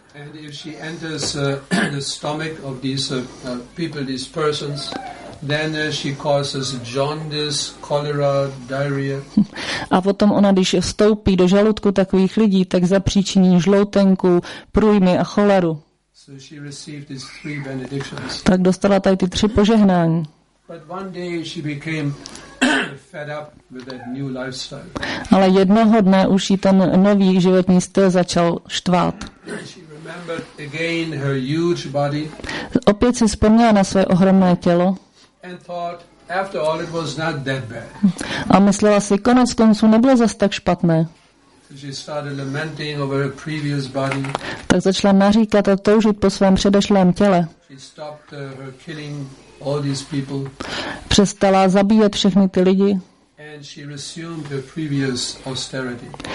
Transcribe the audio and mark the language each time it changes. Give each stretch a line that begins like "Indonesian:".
English: And if she enters the stomach of these people, these persons, then she causes jaundice, cholera, diarrhea.
Czech: A potom ona, když vstoupí do žaludku takových lidí, tak zapříčiní žloutenku, průjmy a choleru.
English: So she received these three benedictions.
Czech: Tak dostala tady ty tři požehnání.
English: But one day she became fed up with that new lifestyle.
Czech: Ale jednoho dne už jí ten nový životní styl začal štvát.
English: She remembered again her huge body.
Czech: Opět si vzpomněla na své ohromné tělo.
English: And thought, after all, it was not that bad.
Czech: A myslela si, konec konců nebylo zas tak špatné.
English: She started lamenting over her previous body.
Czech: Tak začala naříkat a toužit po svém předešlém těle.
English: She stopped her killing all these people.
Czech: Přestala zabíjet všechny ty lidi.
English: And she resumed her previous austerity.